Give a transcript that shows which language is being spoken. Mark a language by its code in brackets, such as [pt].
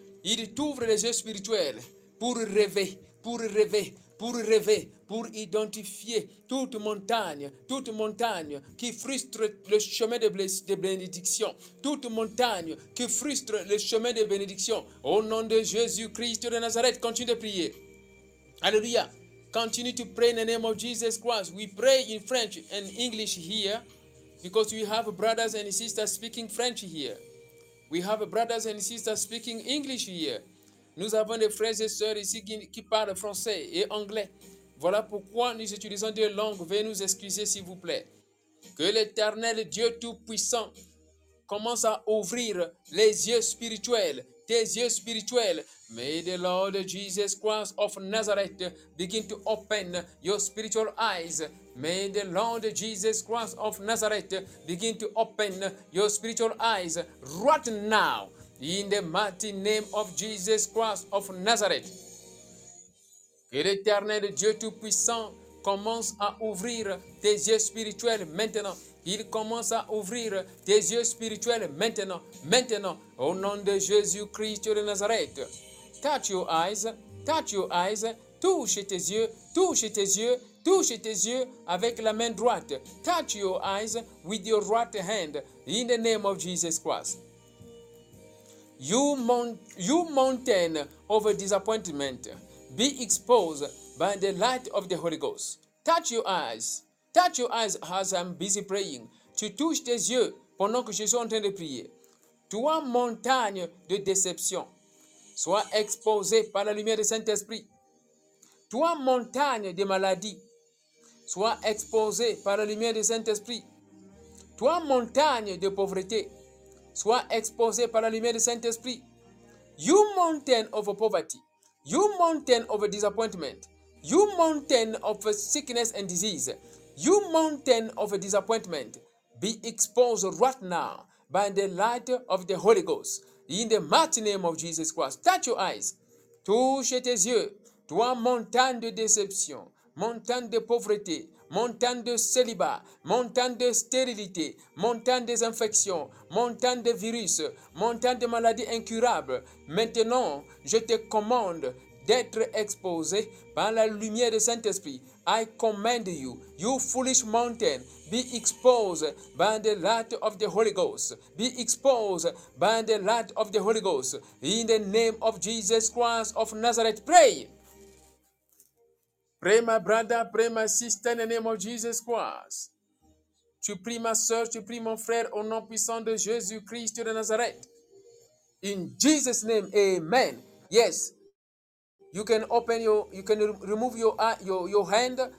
[fr] Il t'ouvre les yeux spirituels pour rêver, pour rêver, pour rêver, pour identifier toute montagne qui frustre le chemin de bénédiction, toute montagne qui frustre le chemin de bénédiction. Au nom de Jésus-Christ de Nazareth, continue de prier. Alléluia. [en] Continue to pray in the name of Jesus Christ. We pray in French and English here because we have brothers and sisters speaking French here. We have brothers and sisters speaking English here. [fr] Nous avons des frères et sœurs ici qui parlent français et anglais. Voilà pourquoi nous utilisons deux langues. Veuillez nous excuser, s'il vous plaît. Que l'Éternel Dieu Tout-Puissant commence à ouvrir les yeux spirituels, tes yeux spirituels. [en] May the Lord Jesus Christ of Nazareth begin to open your spiritual eyes. May the Lord Jesus Christ of Nazareth begin to open your spiritual eyes right now. In the mighty name of Jesus Christ of Nazareth. [fr] Que l'Éternel Dieu Tout-Puissant commence à ouvrir tes yeux spirituels maintenant. Il commence à ouvrir tes yeux spirituels maintenant. Maintenant, au nom de Jésus-Christ de Nazareth. [en] Touch your eyes, touch your eyes. [fr] Touche tes yeux, touche tes yeux, touche tes yeux avec la main droite. [en] Touch your eyes with your right hand in the name of Jesus Christ. You mountain of disappointment, be exposed by the light of the Holy Ghost. Touch your eyes as I'm busy praying. [fr] Tu touches tes yeux pendant que je suis en train de prier. Toi, montagne de déception, sois exposé par la lumière du Saint-Esprit. Toi, montagne de maladie, sois exposé par la lumière du Saint-Esprit. Toi, montagne de pauvreté, sois exposé par la lumière du Saint-Esprit. [en] You mountain of poverty, you mountain of disappointment, You mountain of sickness and disease, you mountain of disappointment, be exposed right now by the light of the Holy Ghost. In the mighty name of Jesus Christ, touch your eyes, [fr] touche tes yeux, toi montagne de déception, montagne de pauvreté, montagne de célibat, montagne de stérilité, montagne des infections, montagne de virus, montagne de maladies incurables. Maintenant, je te commande d'être exposé par la lumière du Saint-Esprit. [en] I command you, you foolish mountain, be exposed by the light of the Holy Ghost. Be exposed by the light of the Holy Ghost. In the name of Jesus Christ of Nazareth, pray. Pray, my brother, pray, my sister, in the name of Jesus Christ. [fr] Tu pries, ma soeur, tu pries, mon frère, au nom puissant de Jésus Christ de Nazareth. [en] In Jesus' name, amen. Yes. You can open your, you can remove your hand.